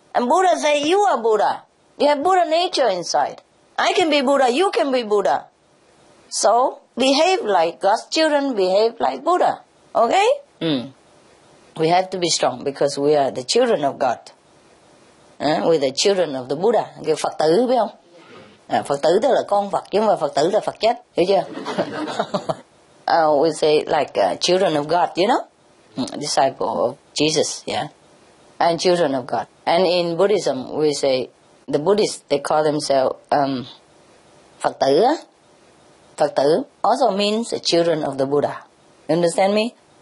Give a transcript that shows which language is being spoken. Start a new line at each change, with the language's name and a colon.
English: And Buddha said, you are Buddha. You have Buddha nature inside. I can be Buddha, you can be Buddha. So, behave like God's children, behave like Buddha. Okay? Mm. We have to be strong because we are the children of God. We're the children of the Buddha.
Vietnamese: Kêu Phật tử, biết không? Phật tử tức là con Phật, chứ không phải Phật tử là Phật chết. Hiểu chưa?
English: We say like children of God, you know? Disciple of Jesus, yeah? And children of God. And in Buddhism, we say, the Buddhists, they call themselves Phật tử. Phật tử also means the children of the Buddha. You understand me?